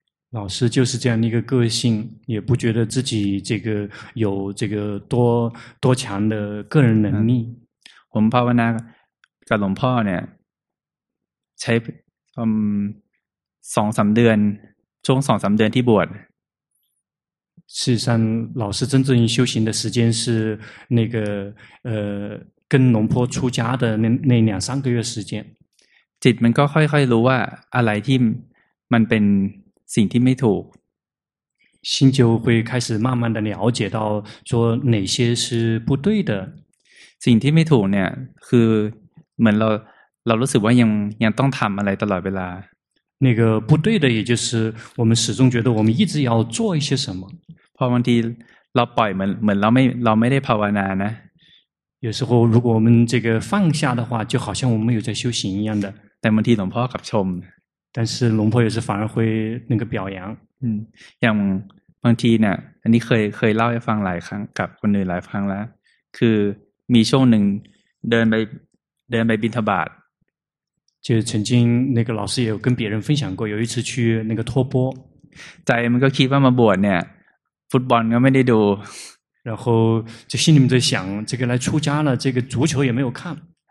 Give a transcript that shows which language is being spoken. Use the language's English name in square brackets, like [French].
[Chinese] 老师就是这样一个个性也不觉得自己这个有这个多强的个人能力 [Thai] ผมภาวนากับหลวงพ่อเนี่ยใช้2-3 เดือนที่บวช [Chinese] 事实上老师真正修行的时间是那个跟龙坡出家的那两三个月时间 [Thai] จิตมันก็ค่อยๆรู้ว่าอะไรที่มันเป็นสิ่งที่ไม่ถูก [Chinese] 心就会开始慢慢的了解到说哪些是不对的 [Thai] สิ่งที่ไม่ถูกเนี่ยคือเหมือนเรารู้สึกว่ายังต้องทำอะไรตลอดเวลา [Chinese] 那个不对的也就是我们始终觉得我们一直要做一些什么 [Thai] พอบางทีเราปล่อยเหมือนเราไม่ได้ภาวนานะ [Chinese] 有时候如果我们这个放下的话就好像我们没有在修行一样的 [Thai] แต่บางทีหลวงพ่อกับชม [Chinese] 但是龙婆也是反而会那个表扬 [Thai] อย่างบางทีเนี่ยอันนี้เคยเล่าให้ฟังหลายครั้งกับคนอื่นหลายครั้งแล้วคือมีช่วงหนึ่งเดินไปบิณฑบาต [Chinese] 就曾经那个老师也有跟别人分享过有一次去那个托钵在我们个地方嘛我呢福报应该没得多然后就心里面在想这个来出家了这个足球也没有看